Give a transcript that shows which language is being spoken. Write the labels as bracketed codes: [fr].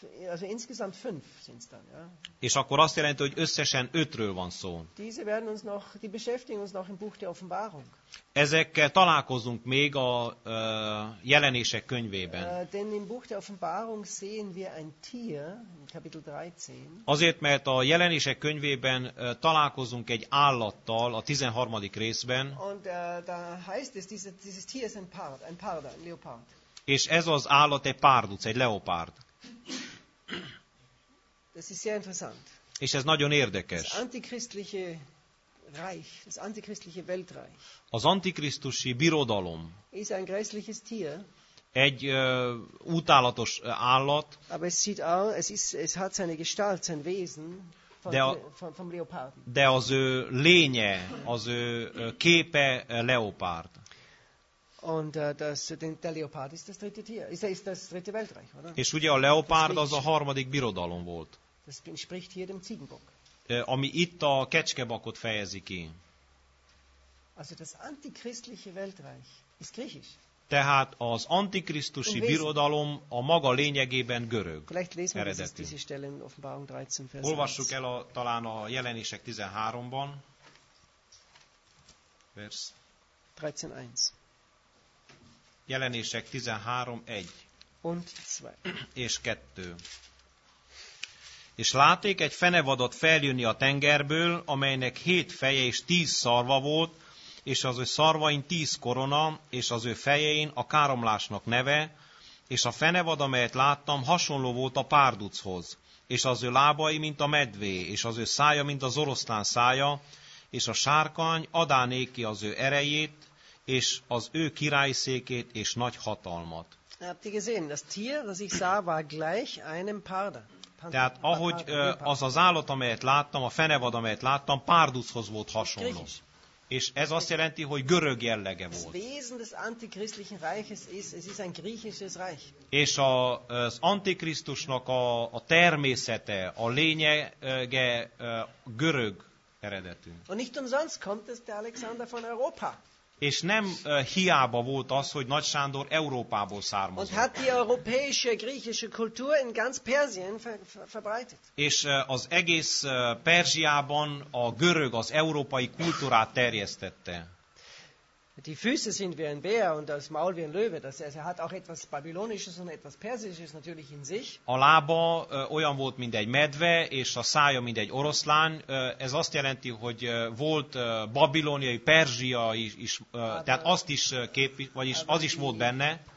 [de] Also insgesamt fünf sind's dann, ja. [hu] És akkor azt jelenti, hogy összesen ötről van szó. [de] Diese werden uns noch, die beschäftigen uns noch im Buch der Offenbarung. [hu] Ezekkel találkozunk még a jelenések könyvében. [de] Denn im Buch der Offenbarung sehen wir ein Tier, in Kapitel 13. [hu] Azért, mert a jelenések könyvében találkozunk egy állattal a 13. részben. [de] Und da heißt es, dieses Tier ist ein Leopard. [hu] És ez az állat egy párduc, egy leopárd. [de] Das ist sehr interessant. [hu] És ez nagyon érdekes. [de] Das antichristliche Reich, das antichristliche Weltreich. [hu] Az antikrisztusi birodalom. [de] Ist ein grässliches Tier. [hu] Egy utálatos állat. [de] Aber es sieht auch, es hat seine Gestalt, sein Wesen vom Leoparden. [hu] De az ő lénye, az ő képe leopárd. [de] Und der Leopard ist das dritte Tier. Ist das dritte Weltreich, oder? [hu] És ugye a leopárd az a harmadik birodalom volt. [de] Das entspricht hier dem Ziegenbock. [hu] Ami itt a kecskebakot fejezi ki. [de] Also das antichristliche Weltreich ist griechisch. [hu] Tehát az antikrisztusi birodalom a maga lényegében görög. [de] Vielleicht lesen wir diese Stelle in Offenbarung 13, Vers 1. [hu] Olvassuk el talán a jelenések 13-ban. [de] Vers 13:1. [hu] Jelenések 13:1 [de] und 2. [hu] És 2. És láték egy fenevadot feljönni a tengerből, amelynek 7 feje és 10 szarva volt, és az ő szarvain 10 korona, és az ő fejein a káromlásnak neve, és a fenevad, amelyet láttam, hasonló volt a párduchoz, és az ő lábai, mint a medvé, és az ő szája, mint az oroszlán szája, és a sárkány adá néki az ő erejét, és az ő királyszékét és nagy hatalmat. [de] Habt ihr gesehen, das Tier, das ich sah, war gleich einem Parder. [hu] Tehát ahogy az az állat, amelyet láttam, a fenevad, amelyet láttam, párduchoz volt hasonló. És ez azt jelenti, hogy görög jellege volt. [de] Wesen des antichristlichen Reiches ist, es ist ein griechisches Reich. [hu] És az antikrisztusnak a természete, a lényege görög eredetű. [de] Und nicht umsonst kommt es der Alexander von Europa. [hu] És nem hiába volt az, hogy Nagy Sándor Európából származott. [de] Und hat die europäische griechische Kultur in ganz Persien verbreitet. [hu] És az egész Perzsiában a görög, az európai kultúrát terjesztette. [de] Die Füße sind wie ein Bär und das Maul wie ein Löwe, das er hat auch etwas babylonisches und etwas persisches natürlich in sich. [hu] A lába olyan volt, mint egy medve, és a szája, mint egy oroszlán. Ez azt jelenti, hogy volt babiloniai, perzsiai is, tehát azt is képvisel, vagyis az is volt benne.